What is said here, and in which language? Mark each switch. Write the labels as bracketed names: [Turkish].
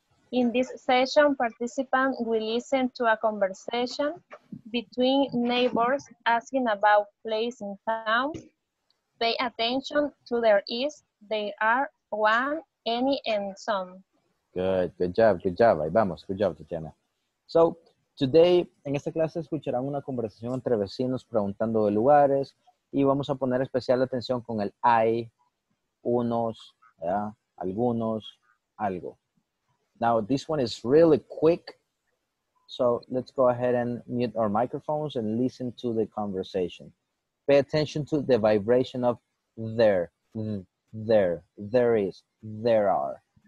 [English] In this session, participants will listen to a conversation between neighbors asking about place in town. Pay attention to their is, they are, one, any, and some. Good, good job, good job. [Spanish] Ahí vamos, [English] good job, Tatiana. [Spanish] So, today, en esta clase escucharán una conversación entre vecinos preguntando de lugares y vamos a poner especial atención con el hay, unos, ¿verdad? Algunos, algo. [English] Now, this one is really quick. So, let's go ahead and mute our microphones and listen to the conversation. Pay attention to the vibration of there, there, there is, there are.